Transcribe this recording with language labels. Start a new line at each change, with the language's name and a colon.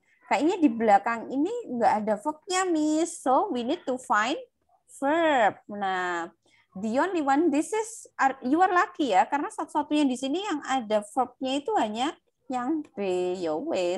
Indonesian: Kayaknya di belakang ini nggak ada verb-nya, Miss.
English: So, we need to find verb. Nah, the only one, this is, you are lucky ya.
Indonesian: Karena satu-satunya di sini yang ada verb-nya itu hanya yang B, yo way.